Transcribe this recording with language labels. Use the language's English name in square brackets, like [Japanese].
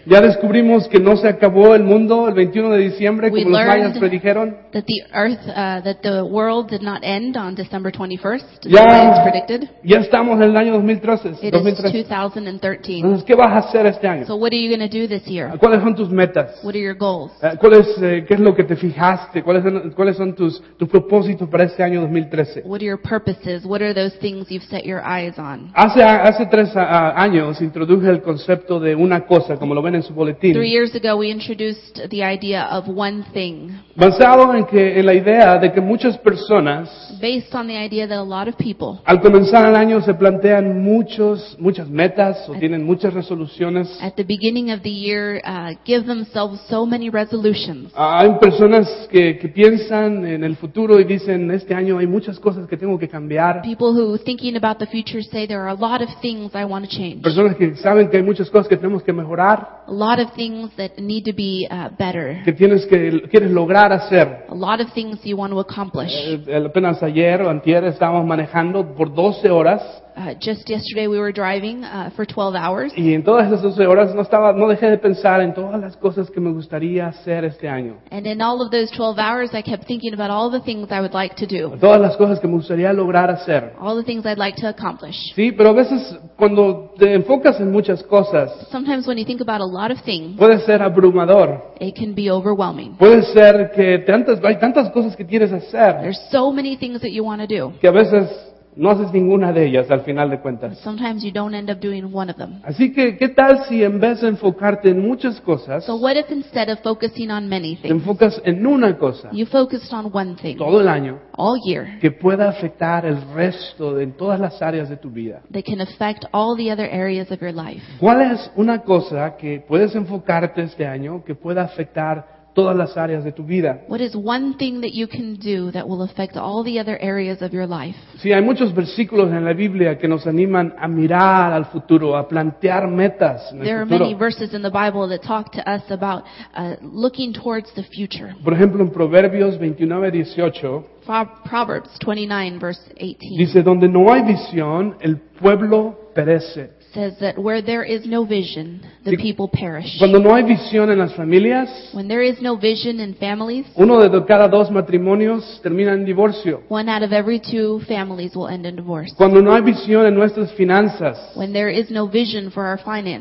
[Spanish] Ya descubrimos que no se acabó el mundo el 21 de diciembre, como los mayas predijeron. [English] That the earth, that the world did not end on December 21st, the mayas predicted. [Spanish] Ya estamos en el año 2013. [English] It is 2013. [Spanish] Entonces, ¿qué vas a hacer este año? [English] So what are you going to do this year? [Spanish] ¿Cuáles son tus metas? [English] What are your goals? [Spanish] ¿Qué es lo que te fijaste? ¿Cuáles son tus propósitos para este año 2013? [English] What are your purposes? What are those things you've set your eyes on? [Spanish] Hace tres años introduje el concepto concepto de una cosa, como lo ven en su boletín. [English] 3 years ago we introduced the idea of one thing. [Spanish] Basado en que en la idea de que muchas personas, [English] based on the idea that a lot of people, [Spanish] al comenzar el año se plantean muchas metas o tienen muchas resoluciones. [English] At the beginning of the year, give themselves so many resolutions. [Spanish] Hay personas que piensan en el futuro y dicen este año hay muchas cosas que tengo que cambiar. [English] People who thinking about the future say there are a lot of things I want to change. [Spanish] Personas que saben que hay muchas cosas que tenemos que mejorar. [English] A lot of things that need to be better. [Spanish] Que tienes que quieres lograr hacer. [English] A lot of things you want to accomplish. [Spanish] Apenas ayer o antier estábamos manejando por 12 horas. [English] Just yesterday we were driving for 12 hours. [Spanish] Y en todas esas 12 horas no dejé de pensar en todas las cosas que me gustaría hacer este año. [English] And in all of those 12 hours I kept thinking about all the things I would like to do. [Spanish] Todas las cosas que me gustaría lograr hacer. [English] All the things I'd like to accomplish. [Spanish] Sí, pero a veces cuando te enfocas en muchas cosas, [English] sometimes when you think about a lot of things, [Spanish] puede ser abrumador. [English] It can be overwhelming. [Spanish] Puede ser que hay tantas cosas que quieres hacer. [English] There's so many things that you want to do. [Spanish] Que a veces no haces ninguna de ellas al final de cuentas. [English] Sometimes you don't end up doing one of them. [Spanish] Así que, ¿qué tal si en vez de enfocarte en muchas cosas, [English] so what if instead of focusing on many things, [Spanish] te enfocas en una cosa, [English] you focused on one thing, [Spanish] todo el año, [English] all year, [Spanish] que pueda afectar el resto de en todas las áreas de tu vida? [English] That can affect all the other areas of your life. [Spanish] ¿Cuál es una cosa que puedes enfocarte este año que pueda afectar todas las áreas de tu vida? [English] What is one thing that you can do that will affect all the other areas of your life? [Spanish] Sí, hay muchos versículos en la Biblia que nos animan a mirar al futuro, a plantear metas en el futuro. [English] There are many verses in the Bible that talk to us about looking towards the future. [Spanish] Por ejemplo, en Proverbios 29:18, [English] Proverbs 29 verse 18. [Spanish] Dice, donde no hay visión, el pueblo perece. [English] Says that where there is no vision, the people perish. [Spanish] Cuando no hay visión en las familias, [English] when there is no vision in families, [Spanish] uno de cada dos matrimonios termina en divorcio. [English] One out of every two families will end in divorce. [Spanish] Cuando no hay visión en nuestras finanzas, [English] when there is no vision for our finances,